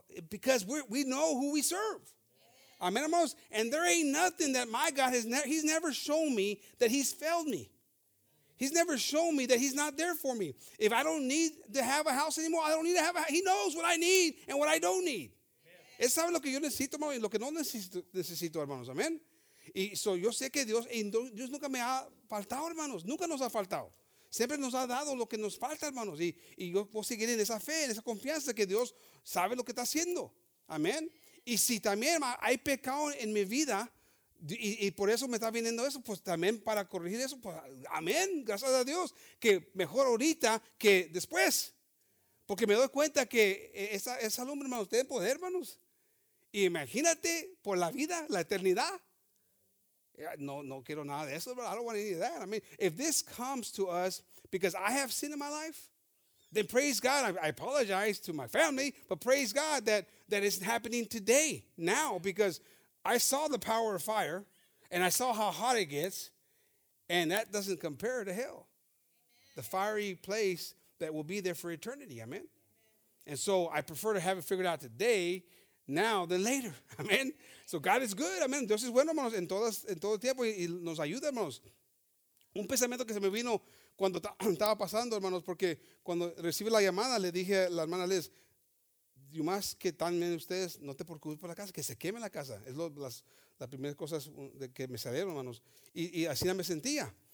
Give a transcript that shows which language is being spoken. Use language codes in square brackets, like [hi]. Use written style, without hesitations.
[en] Because we know who we serve. Amen, hermanos. And there ain't nothing that my God he's never shown me that he's failed me. He's never shown me that he's not there for me. If I don't need to have a house anymore, I don't need to have a house. He knows what I need and what I don't need. [es] Él sabe lo que yo necesito, hermanos, y lo que no necesito, hermanos. Amen. Y so yo sé que Dios nunca me ha faltado, hermanos. Nunca nos ha faltado. Siempre nos ha dado lo que nos falta, hermanos. Y yo puedo seguir en esa fe, en esa confianza que Dios sabe lo que está haciendo. Amén. Y si también hay pecado en mi vida y por eso me está viniendo eso, pues también para corregir eso, pues amén. Gracias a Dios que mejor ahorita que después. Porque me doy cuenta que esa lumbre, hermanos, tiene poder, hermanos. Y imagínate por la vida, la eternidad. No quiero nada de eso, [en] but I don't want any of that. I mean, if this comes to us because I have sin in my life, then praise God. I apologize to my family, but praise God that it's happening today, now, because I saw the power of fire and I saw how hot it gets, and that doesn't compare to hell. The fiery place that will be there for eternity, amen? And so I prefer to have it figured out today now than later, amen? So God is good, amen. [es] Dios es bueno, hermanos, en todo el tiempo y nos ayuda, hermanos. Un pensamiento que se me vino cuando estaba pasando, hermanos, porque cuando recibí la llamada, le dije a la hermana Liz, y más que también ustedes, no te preocupes por la casa, que se queme la casa. Es las primeras cosas que me salieron, hermanos. Y así no me sentía.